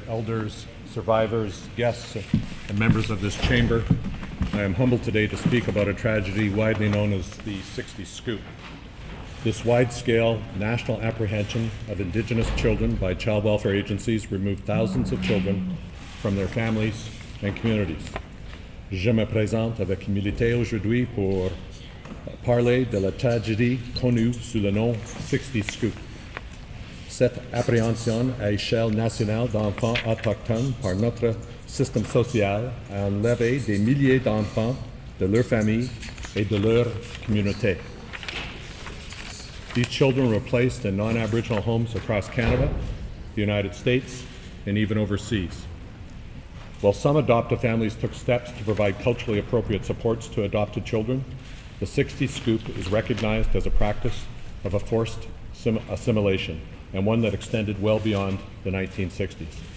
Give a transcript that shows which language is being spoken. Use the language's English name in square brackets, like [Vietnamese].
[English] Elders, survivors, guests, and members of this chamber, I am humbled today to speak about a tragedy widely known as the Sixties Scoop. This wide-scale national apprehension of Indigenous children by child welfare agencies removed thousands of children from their families and communities. [French] Je me présente avec humilité aujourd'hui pour parler de la tragédie connue sous le nom Sixties Scoop. Cette appréhension à échelle nationale d'enfants autochtones par notre système social a enlevé des milliers d'enfants de leur famille et de leur communauté. [English] These children were placed in non-Aboriginal homes across Canada, the United States, and even overseas. While some adoptive families took steps to provide culturally appropriate supports to adopted children, the 60s Scoop is recognized as a practice of a forced assimilation, and one that extended well beyond the 1960s.